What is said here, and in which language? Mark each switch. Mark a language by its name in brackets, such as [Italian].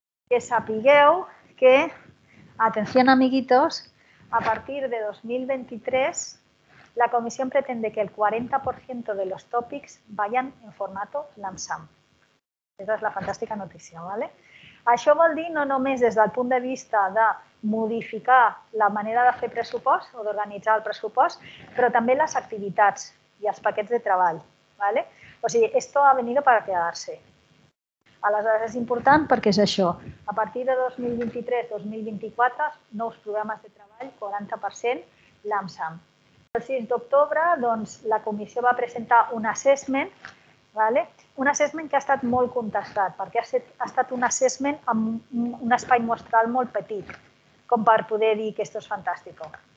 [Catalan] Que sapigueu que, atenció, [Spanish] amiguitos, a partir de 2023 la comissió pretende que el 40% de los tópics vayan en formato LAMSAM. [Catalan] Aquesta és la fantàstica notícia, ¿vale? Això vol dir no només des del punt de vista de modificar la manera de fer pressupost o d'organitzar el pressupost, però també les activitats i els paquets de treball, ¿vale? O sigui, [Spanish] esto ha venido para quedarse. [Catalan] Aleshores, és important perquè és això. A partir de 2023-2024, nous programes de treball, 40% LAMSAM. El 6 d'octubre, doncs, la comissió va presentar un assessment, ¿vale? Un assessment que ha estat molt contestat, perquè ha estat un assessment amb un espai mostral molt petit, com per poder dir que [Spanish] esto es fantástico.